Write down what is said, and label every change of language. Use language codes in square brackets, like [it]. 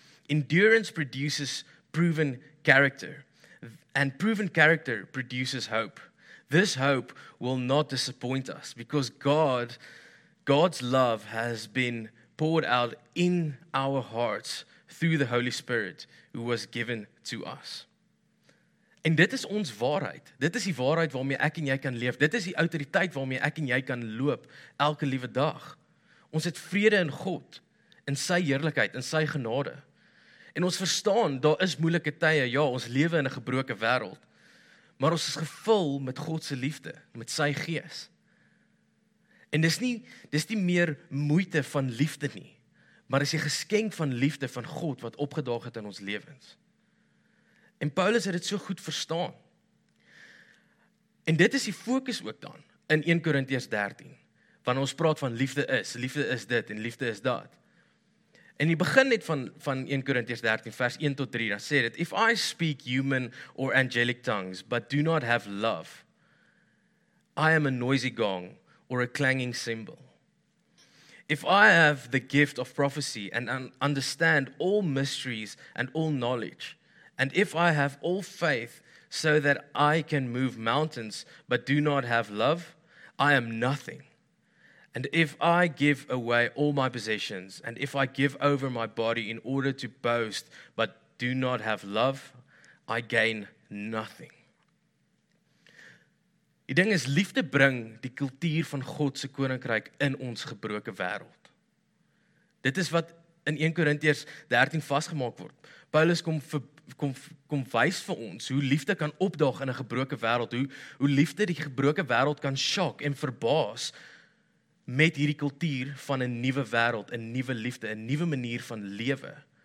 [en] Endurance produces proven character, and proven character produces hope. This hope will not disappoint us, because God's love has been poured out in our hearts through the Holy Spirit who was given to us. [af] En dit is ons waarheid. Dit is die waarheid waarmee ek en jy kan leef. Dit is die autoriteit waarmee ek en jy kan loop elke liewe dag. Ons het vrede in God, in sy heerlikheid, in sy genade. En ons verstaan, daar is moeilike tye. Ja, ons lewe in 'n gebroke wêreld. Maar ons is gevul met God se liefde, met sy gees. En dis nie meer moeite van liefde nie, maar is die geskenk van liefde van God wat opgedaag het in ons lewens. En Paulus het dit so goed verstaan. En dit is die fokus ook dan in 1 Korintiërs 13, wanneer ons praat van liefde is dit en liefde is dat. En die begin net van 1 Korintiërs 13 vers 1 tot 3, dan sê dit, [en] If I speak human or angelic tongues, but do not have love, I am a noisy gong, or a clanging cymbal. If I have the gift of prophecy and understand all mysteries and all knowledge, and if I have all faith so that I can move mountains but do not have love, I am nothing. And if I give away all my possessions, and if I give over my body in order to boast but do not have love, I gain nothing. [af] Die ding is, liefde bring die kultuur van God se koninkryk in ons gebroke wêreld. Dit is wat in 1 Korintiërs 13 vasgemaak word. Paulus kom wys vir ons hoe liefde kan opdaag in 'n gebroke wêreld, hoe liefde die gebroke wêreld kan shock en verbaas met hierdie kultuur van 'n nuwe wêreld, 'n nuwe liefde, 'n nuwe manier van lewe.